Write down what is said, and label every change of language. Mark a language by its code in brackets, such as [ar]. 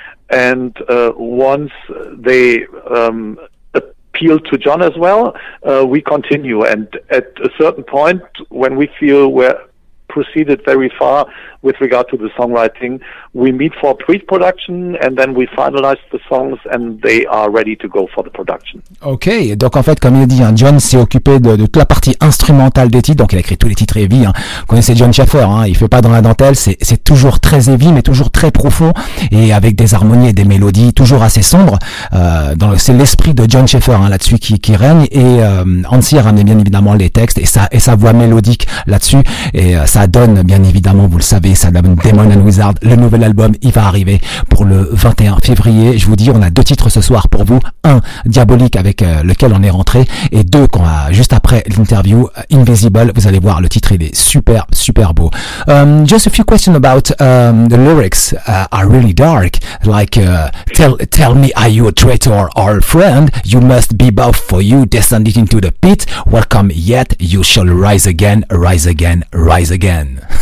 [en] And once they appeal to John as well, we continue. And at a certain point, when we feel we're proceeded very far with regard to the songwriting, we meet for pre-production and then we finalize the songs and they are ready to go for the production. [fr] Ok, donc en fait, comme il dit, hein, John s'est occupé de toute la partie instrumentale des titres, donc il a écrit tous les titres heavy, hein. Vous connaissez John Schaeffer, hein, il fait pas dans la dentelle, c'est toujours très heavy mais toujours très profond et avec des harmonies et des mélodies toujours assez sombres. C'est l'esprit de John Schaeffer, hein, là-dessus qui règne, et Hansi a ramené bien évidemment les textes et sa voix mélodique là-dessus, et ça donne, bien évidemment, vous le savez, ça donne Damon and Wizard. Le nouvel album, il va arriver pour le 21 février. Je vous dis, on a deux titres ce soir pour vous. Un, Diabolique, avec lequel on est rentré. Et deux, qu'on a juste après l'interview, Invisible. Vous allez voir, le titre, il est super, super beau. [en] Just a few questions about the lyrics are really dark. Like, tell me, are you a traitor or a friend? You must be both for you, descended into the pit. Welcome yet, you shall rise again, rise again, rise again. Again.